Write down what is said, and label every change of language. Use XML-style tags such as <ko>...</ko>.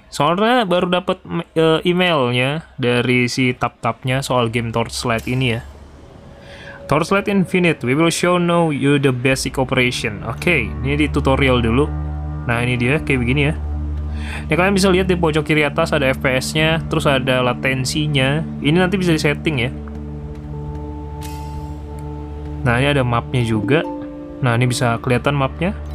<id>Soalnya baru dapet emailnya dari si tap-tapnya soal game Torchlight ini ya.</id> <en>Torchlight Infinite, we will show now you the basic operation.</en> <id>Oke, okay. Ini di tutorial dulu. Nah ini dia, kayak begini ya. Ini kalian bisa lihat di pojok kiri atas ada FPS-nya, terus ada latensinya. Ini nanti bisa disetting ya. Nah ini ada mapnya juga. Nah ini bisa kelihatan mapnya.</id>